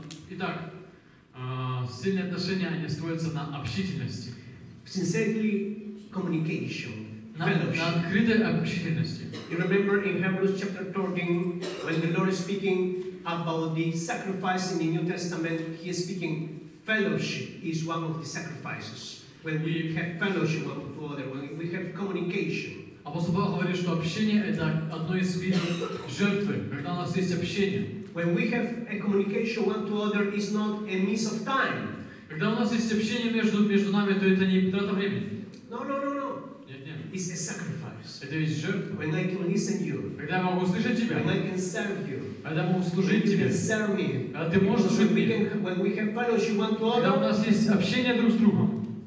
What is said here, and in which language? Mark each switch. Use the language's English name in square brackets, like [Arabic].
[Russian] Итак, сильные отношения они строятся на общительности. [English] Sincerely communication. [Russian] На открытой общительности. [English] You remember in Hebrews chapter 13 when the Lord is speaking about the sacrifice in the New Testament, He is speaking. Fellowship is one of the sacrifices. When we have fellowship with one another, when we have communication. [Russian] Апостол Павел говорит, что общение это одно из видов жертвы, когда у нас есть общение. [English] When we have a communication one to other, is not a miss of time. [Russian] Когда у нас есть общение между нами, то это не трата времени. [English] No. [Russian] Нет. [English] It's a sacrifice. [Russian] Это есть жертва. [English] When I can listen to you. [Russian] Когда я могу услышать тебя. [English] When I can serve you. [Russian] Когда могу служить тебе. [English] You can serve me. [Russian] А ты можешь служить мне. [English] When we have fellowship one to other. [Russian] Когда у нас есть общение друг с другом.